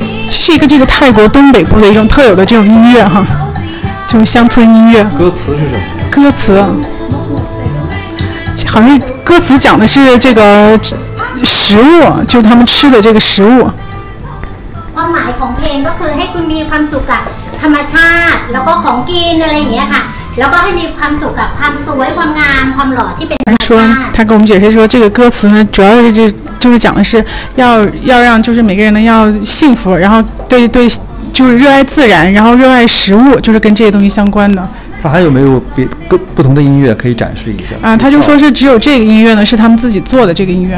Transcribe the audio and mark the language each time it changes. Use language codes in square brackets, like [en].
[zh] 是一个这个泰国东北部的一种特有的这种音乐哈，就是乡村音乐。歌词是什么？歌词，好像歌词讲的是这个食物，就是他们吃的这个食物。 [th] ความหมายของเพลงก็คือให้คุณมีความสุขกับธรรมชาติแล้วก็ของกินอะไรอย่างเงี้ยค่ะแล้วก็ให้มีความสุขกับความสวยความงามความหล่อที่เป็นธรรมชาติ [zh] 他给我们解释说这个歌词呢主要是就是讲的是要让就是每个人呢要幸福然后对对就是热爱自然然后热爱食物就是跟这些东西相关的他还有没有别不同的音乐可以展示一下他就说是只有这个音乐呢是他们自己做的这个音乐